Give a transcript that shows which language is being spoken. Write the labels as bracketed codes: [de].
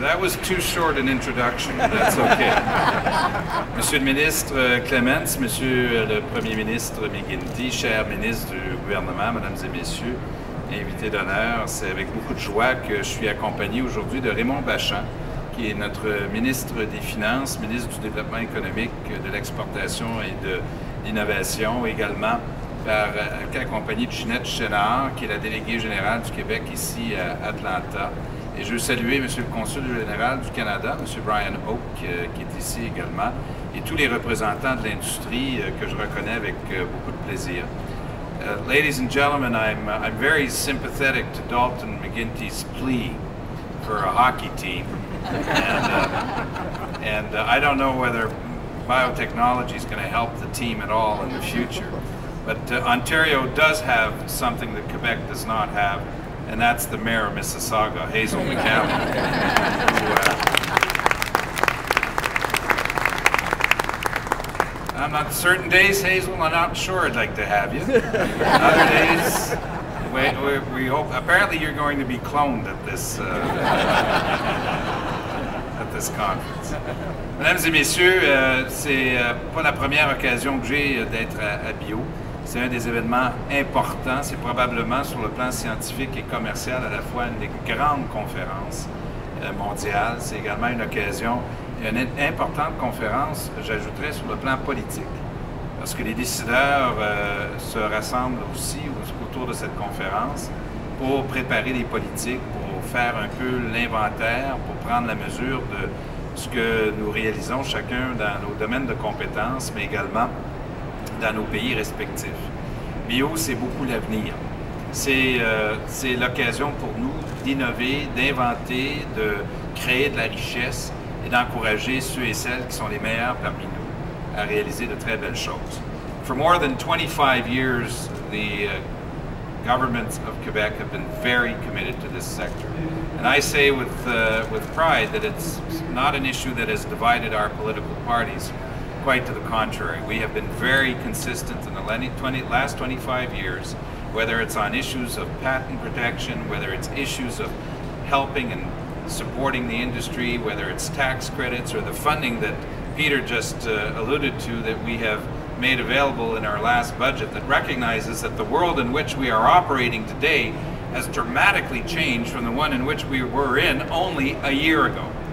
[en] That was too short an introduction, but that's okay. [fr] Monsieur le ministre Clements, monsieur le premier ministre McGuinty, chers ministres du gouvernement, mesdames et messieurs, invités d'honneur, c'est avec beaucoup de joie que je suis accompagné aujourd'hui de Raymond Bachand, qui est notre ministre des Finances, ministre du Développement économique, de l'exportation et de l'innovation, également par accompagné de Ginette Chénard, qui est la déléguée générale du Québec ici à Atlanta. Et je veux saluer M. le consul général du Canada, M. Brian Oak, qui est ici également, et tous les représentants de l'industrie que je reconnais avec beaucoup de plaisir. [en] Ladies and gentlemen, I'm very sympathetic to Dalton McGuinty's plea for a hockey team. And I don't know whether biotechnology is going to help the team at all in the future. But Ontario does have something that Quebec does not have, and that's the mayor of Mississauga, Hazel McCallum. I'm not certain days, Hazel, I'm not sure I'd like to have you. Other days, we hope, apparently you're going to be cloned at this at this conference. [fr] Mesdames et messieurs, c'est pas la première occasion que j'ai d'être à Bio. C'est un des événements importants. C'est probablement, sur le plan scientifique et commercial, à la fois une des grandes conférences mondiales. C'est également une occasion, une importante conférence, j'ajouterais, sur le plan politique. Parce que les décideurs se rassemblent aussi autour de cette conférence pour préparer les politiques, pour faire un peu l'inventaire, pour prendre la mesure de ce que nous réalisons chacun dans nos domaines de compétences, mais également dans nos pays respectifs. Bio, c'est beaucoup l'avenir. C'est l'occasion pour nous d'innover, d'inventer, de créer de la richesse et d'encourager ceux et celles qui sont les meilleurs parmi nous à réaliser de très belles choses. [en] For more than 25 years, the governments of Quebec have been very committed to this sector. And I say with pride that it's not an issue that has divided our political parties. Quite to the contrary, we have been very consistent in the last 25 years, whether it's on issues of patent protection, whether it's issues of helping and supporting the industry, whether it's tax credits or the funding that Peter just alluded to that we have made available in our last budget that recognizes that the world in which we are operating today has dramatically changed from the one in which we were in only a year ago.